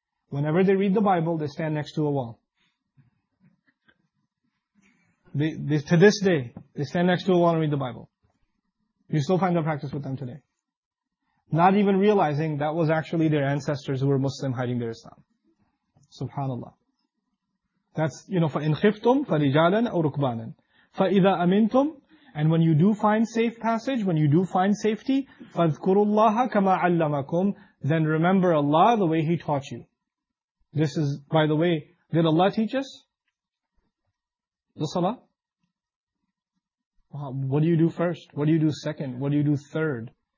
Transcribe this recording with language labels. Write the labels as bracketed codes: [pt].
[en] Whenever they read the Bible, they stand next to a wall. To this day, they stand next to a wall and read the Bible. You still find that practice with them today. Not even realizing that was actually their ancestors who were Muslim hiding their Islam. SubhanAllah. That's, you know, [ar] فَإِنْ خِفْتُمْ فَرِجَالًا أَوْ رُكْبَانًا فَإِذَا أَمِنْتُمْ. [en] And when you do find safe passage, when you do find safety, [ar] فَاذْكُرُوا اللَّهَ كَمَا عَلَّمَكُمْ. [en] Then remember Allah the way He taught you. This is, by the way, did Allah teach us the salah? What do you do first? What do you do second? What do you do third?